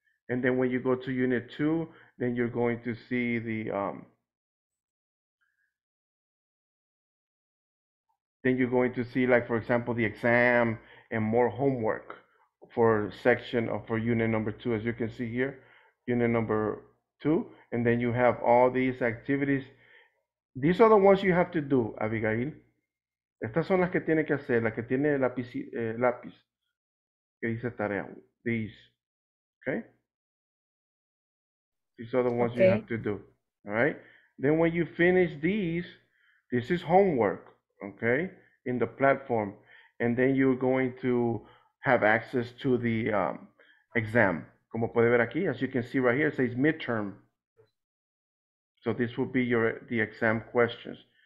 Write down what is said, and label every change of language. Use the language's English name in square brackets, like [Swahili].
[English] And then when you go to unit 2, then you're going to see the then you're going to see, like, for example, the exam and more homework for section of for unit number 2, as you can see here, unit number 2. And then you have all these activities. These are the ones you have to do, Abigail. [Spanish] Estas son las que tiene que hacer, las que tiene lápiz, lápiz que dice tarea. [English] These, okay? These are the ones okay. You have to do, all right? Then when you finish these, this is homework, okay? In the platform, and then you're going to have access to the exam. [Spanish] Como puede ver aquí, [English] as you can see right here, it says midterm. So this will be the exam questions.